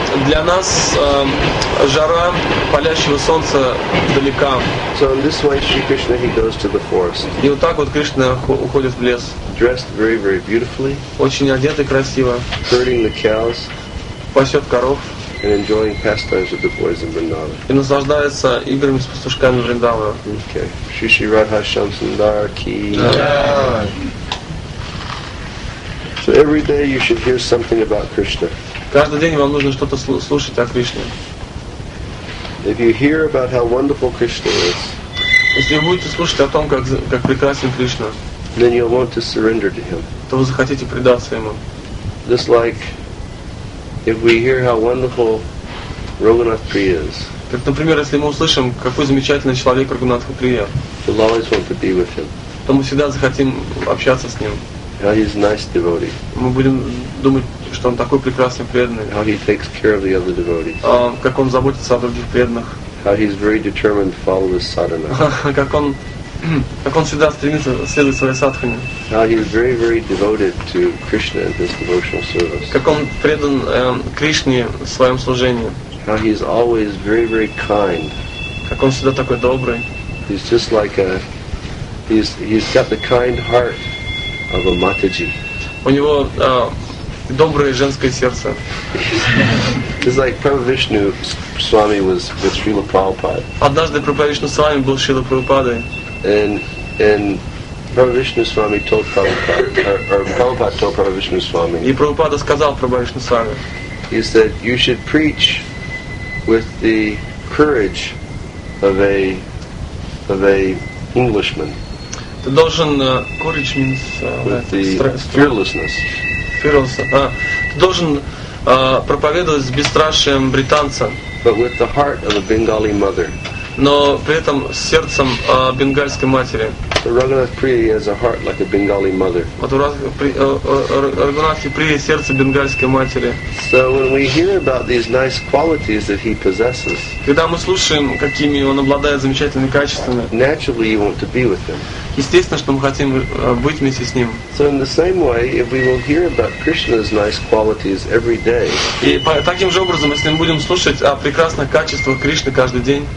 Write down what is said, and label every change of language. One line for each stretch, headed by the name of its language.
Russian: Для нас жара палящего солнца далека.
English: So in this way, Shri Krishna he goes to the forest.
Russian: И вот так вот Кришна уходит в лес.
English: Dressed very very beautifully.
Russian: Очень одет и красиво.
English: Herding the cows.
Russian: Пасет коров.
English: And enjoying pastimes with the boys in Vrindavan.
Russian: И наслаждается играми с пастушками Вриндавана.
English: Okay. Shri Shri Radha Shamsundar Ki. So every day you should hear something about Krishna.
Russian: Каждый день вам нужно что-то слушать о Кришне.
English: If you hear about how wonderful Krishna is.
Russian: Если вы будете слушать о том, как прекрасен Кришна.
English: Then you'll want to surrender to him.
Russian: То вы захотите предаться ему.
English: Just like if we hear how wonderful Raghunath Priya is.
Russian: Так, например, если мы услышим, какой замечательный человек Рагунатха Прия.
English: We'll always want to be with him.
Russian: То мы всегда захотим общаться с ним.
English: How he's nice devotee.
Russian: Мы будем думать, что он такой прекрасный преданный.
English: How he takes care of the other devotees.
Russian: Как он заботится о других преданных.
English: How he's very determined to follow his sadhana.
Russian: Как он всегда стремится следовать своей садхане.
English: How he is very, very devoted to Krishna in his devotional service.
Russian: Как он предан Кришне в своем служении.
English: How he is always very, very kind.
Russian: Как он всегда такой добрый.
English: He's just like he's got the kind heart of a Mataji.
Russian: У него доброе женское сердце.
English: It's like Prabhu Vishnu Swami was with Srila Prabhupada.
Russian: Однажды Прабху Вишну Свами был Шрила Прабхупадой.
English: And Prabhu Vishnu Swami told Prabhupada, or Prabhupada told Prabhu Vishnu Swami.
Russian: И Прабхупада сказал Прабху Вишну Свами.
English: He said, "You should preach with the courage of a Englishman."
Russian: Ты должен
English: courage means with the fearlessness.
Russian: Ты должен проповедовать с бесстрашием британца.
English: But with the heart of a Bengali mother.
Russian: Но при этом с сердцем бенгальской матери.
English: So Raghunath Priya has a heart like a Bengali mother.
Russian: Вот у Raghunath Priya сердце бенгальской матери.
English: So when we hear about these nice qualities that he possesses.
Russian: Когда мы слушаем, какими он обладает замечательными качествами.
English: Naturally you want to be with him.
Russian: Естественно, что мы хотим быть вместе с ним.
English: So in the same way, if we will hear about Krishna's nice qualities every day.
Russian: И таким же образом, если мы будем слушать о прекрасных качествах Кришны каждый день.